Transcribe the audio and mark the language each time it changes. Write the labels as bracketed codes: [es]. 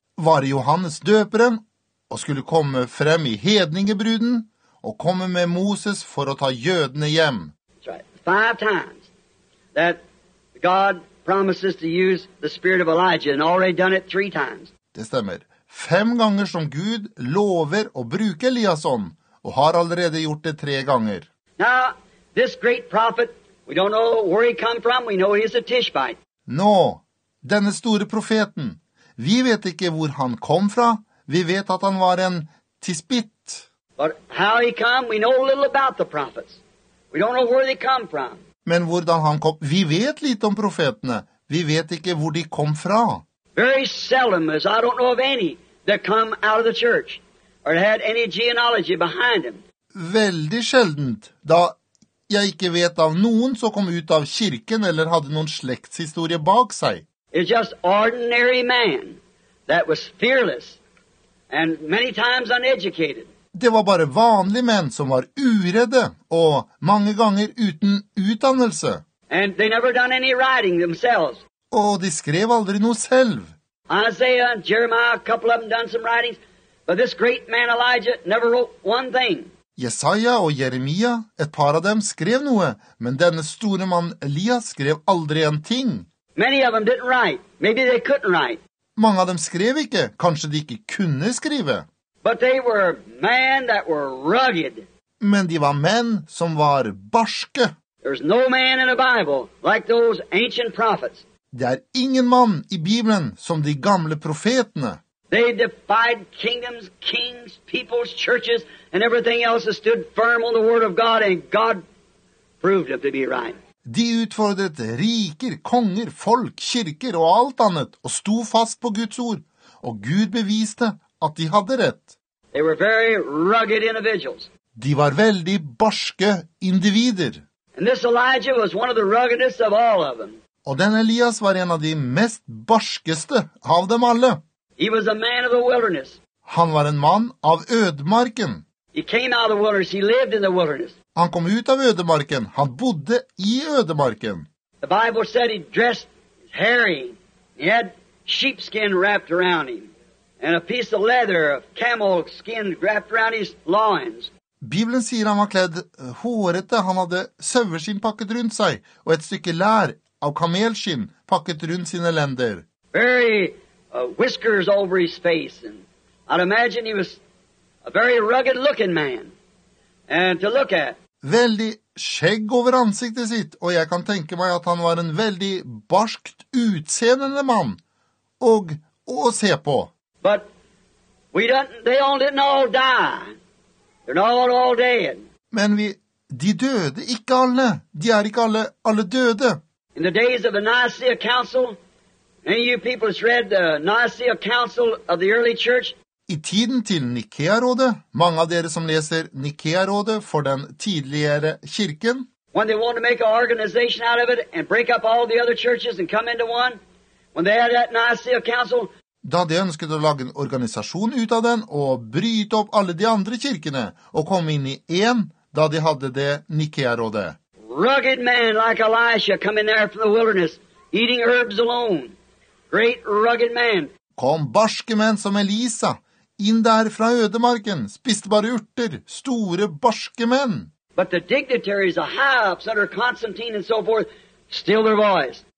[no] Var Johannes døperen og skulle komme frem i hedningebruden og komme med Moses for å ta jødene hjem. [en] Right. Five times that God promises to use the spirit of Elijah and already done it three times. [no] Det stemmer. Fem ganger som Gud lover å bruke Elias ånd, og har allerede gjort det tre ganger. [en] Now, this great prophet, we don't know where he come from, we know he's a Tishbite. [no] Nå, denne store profeten, vi vet ikke hvor han kom fra, vi vet at han var en Tishbit. [en] But how he come, we know a little about the prophets. We don't know where they come from. [no] Men hvordan han kom, vi vet litt om profetene, vi vet ikke hvor de kom fra. [en] Very seldom, as I don't know of any, that come out of the church, or had any genealogy behind them. [no] Veldig sjeldent, da jeg ikke vet av noen som kom ut av kirken eller hadde noen slektshistorie bak seg. [en] It's just ordinary man that was fearless and many times uneducated. [no] Det var bare vanlige menn som var uredde og mange ganger uten utdannelse. [en] And they never done any writing themselves. [no] Og de skrev aldri noe selv. [en] Isaiah and Jeremiah, a couple of them done some writings, but this great man Elijah never wrote one thing. [no] Jesaja og Jeremia, et par av dem, skrev noe, men denne store mann Elias skrev aldri en ting. [en] Many of them didn't write. Maybe they couldn't write. [no] Mange av dem skrev ikke. Kanskje de ikke kunne skrive. [en] But they were men that were rugged. [no] Men de var menn som var barske. [en] There's no man in the Bible like those ancient prophets. [no] Det ingen mann i Bibelen som de gamle profetene. [en] They defied kingdoms, kings, peoples, churches, and everything else that stood firm on the word of God, and God proved them to be right. [no] De utfordret riker, konger, folk, kirker og alt annet, og sto fast på Guds ord, og Gud beviste at de hadde rett. [en] They were very rugged individuals. [no] De var veldig barske individer. [en] And this Elijah was one of the ruggedest of all of them. [no] Og den Elias var en av de mest barskeste av dem alle. [en] He was a man of the wilderness. [no] Han var en mann av ødemarken. [en] He came out of the wilderness. He lived in the wilderness. [no] Han kom ut av ødemarken. Han bodde i ødemarken. [en] The Bible said he dressed hairy. He had sheepskin wrapped around him. And a piece of leather of camel skin wrapped around his loins. [no] Bibelen sier han var kledd hårete. Han hadde sauerskinn pakket rundt seg. Og et stykke lær av kamelskinn pakket rundt sine lender. [en] Very whiskers over his face. And I'd imagine he was a very rugged looking man. And to look at. [no] Veldig skjegg over ansiktet sitt, og jeg kan tenke meg at han var en veldig barskt utseende mann å se på. [en] But we didn't all die. They're not all dead. [no] Men de døde ikke alle. De ikke alle døde. [en] In the days of the Nicaea Council, any of you people has read the Nicaea Council of the early church? [no] I tiden til Nikea-rådet, mange av dere som leser Nikea-rådet for den tidligere kirken. [en] When they wanted to make an organization out of it and break up all the other churches and come into one, when they had that Nicaea Council. [no] Da de ønsket å lage en organisasjon ut av den og bryte opp alle de andre kirkene og komme inn i en, da de hadde det Nikea-rådet. [en] Rugged man like Elisha come in there from the wilderness, eating herbs alone. Great rugged man. [no] Kom barske menn som Elisa, inn der fra ødemarken, spiste bare urter, store barske menn. [en] But the dignitaries, the high-ups under Constantine and so forth, still their voice.